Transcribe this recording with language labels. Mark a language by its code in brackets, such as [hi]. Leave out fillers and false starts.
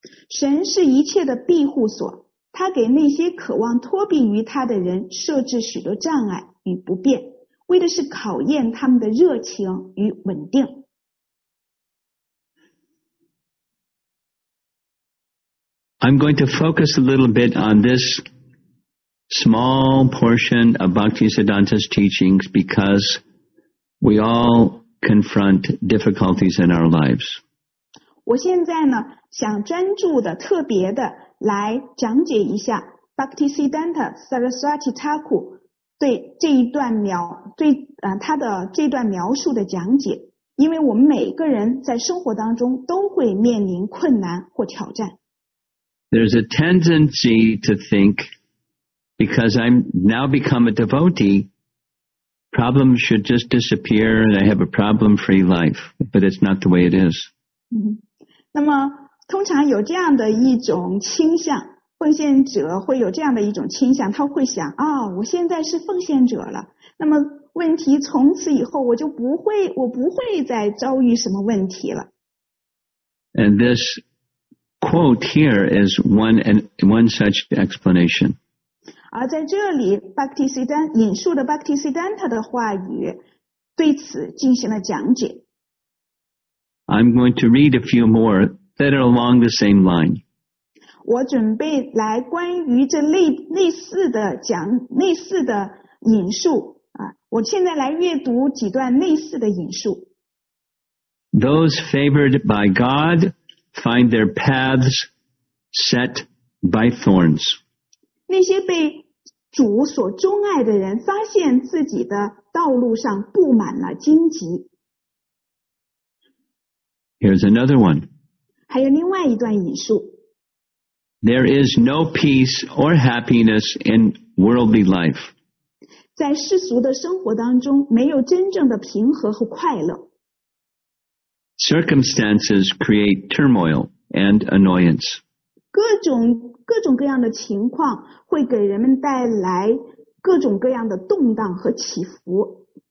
[zh] 神是一切的庇护所，他给那些渴望脱贫于他的人设置许多障碍与不便，为的是考验他们的热情与稳定。 [en] I'm going to focus a little bit on this small portion of Bhakti Siddhanta's teachings because we all confront difficulties in our lives. [zh] 我现在呢想专注的特别的来讲解一下 Bhakti Siddhanta Saraswati Thakur 对这一段描对他的这段描述的讲解，因为我们每个人在生活当中都会面临困难或挑战。 [en] There's a tendency to think because I'm now become a devotee problems should just disappear and I have a problem free life, but it's not the way it is. [zh] 那么通常有这样的一种倾向，奉献者会有这样的一种倾向，他会想啊、哦，我现在是奉献者了，那么问题从此以后我不会再遭遇什么问题了。 [en] And this quote here is one such explanation. [zh] 而在这里 Bhakti Siddhanta 引述的 Bhakti Siddhanta 的话语对此进行了讲解。 [en] I'm going to read a few more that are along the same line. [zh] 我准备来关于这类似的引述啊，我现在来阅读几段类似的引述。 [en] Those favored by God find their paths set by thorns. [zh] 那些被主所钟爱的人发现自己的道路上布满了荆棘。 [en] Here's another one. [zh] 还有另外一段引述。 [en] There is no peace or happiness in worldly life. [zh] 在世俗的生活当中没有真正的平和和快乐。 [en] Circumstances create turmoil and annoyance. [zh] 各种各样的情况会给人们带来各种各样的动荡和起伏。